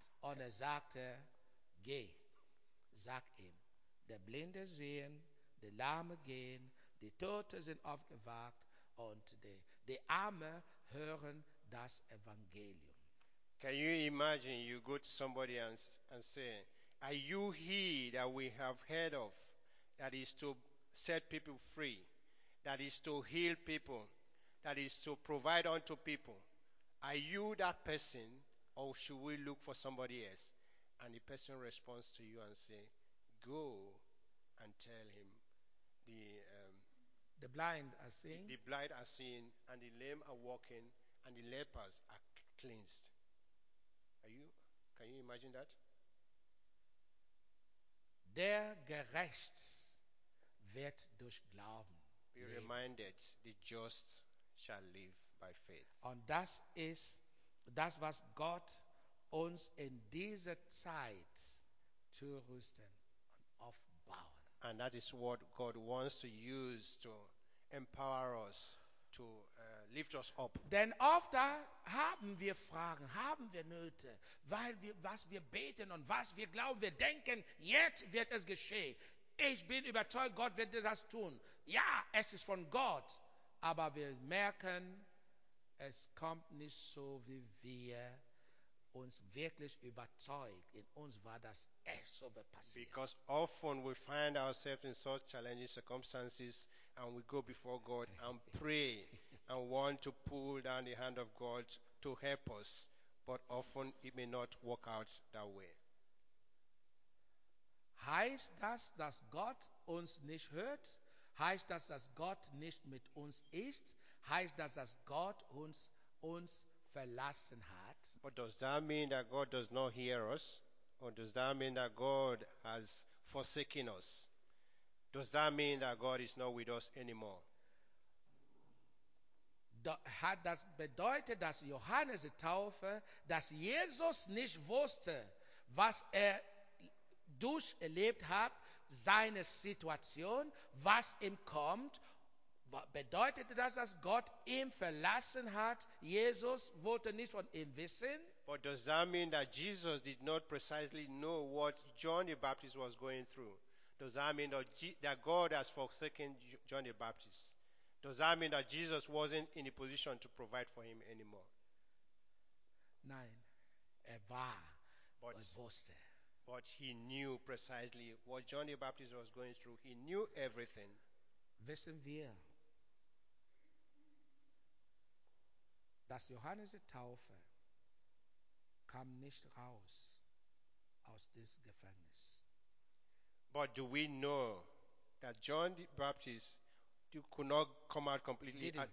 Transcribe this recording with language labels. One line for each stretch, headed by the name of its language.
German: Und er sagte, geh, sag ihm, der Blinde sehen, die Lahme gehen, die Toten sind aufgewacht und die Arme hören das Evangelium.
English: Can you imagine, you go to somebody and say, are you he that we have heard of, that is to set people free, that is to heal people, that is to provide unto people? Are you that person, or should we look for somebody else? And the person responds to you and say, go and tell him. The blind are seeing. The blind are seeing, and the lame are walking, and the lepers are cleansed. Can you imagine that?
German: Der Gerecht wird durch Glauben
English: be leben. Reminded, the just shall live by faith.
German: Und das ist das, was Gott uns in dieser Zeit zurüsten und aufbauen.
English: And that is what God wants to use to empower us, to lift us up.
German: Denn oft da haben wir Fragen, haben wir Nöte, weil wir, was wir beten und was wir glauben, wir denken, jetzt wird es geschehen. Ich bin überzeugt, Gott wird das tun. Ja, es ist von Gott, aber wir merken, es kommt nicht so, wie wir uns wirklich überzeugt. In uns war das echt so passiert.
English: Because often we find ourselves in such challenging circumstances and we go before God and pray and want to pull down the hand of God to help us, but often it may not work out that way.
German: Heißt das, dass Gott uns nicht hört? Heißt das, dass Gott nicht mit uns ist? Heißt das, dass Gott uns verlassen hat?
English: But does that mean that God does not hear us? Or does that mean that God has forsaken us? Does that mean that God is not with us anymore?
German: Hat das bedeutet, dass Johannes die Taufe, dass Jesus nicht wusste, was er durcherlebt hat, seine Situation, was ihm kommt? Bedeutet das, dass Gott ihn verlassen hat? Jesus wollte nicht von ihm wissen?
English: But does that mean that Jesus did not precisely know what John the Baptist was going through? Does that mean that God has forsaken John the Baptist? Does that mean that Jesus wasn't in a position to provide for him anymore?
German: Nein, er war, wusste.
English: But he knew precisely what John the Baptist was going through. He knew everything.
German: Wissen wir, dass Johannes die Taufe kam nicht raus aus diesem Gefängnis.
English: But do we know that John the Baptist could not come out completely,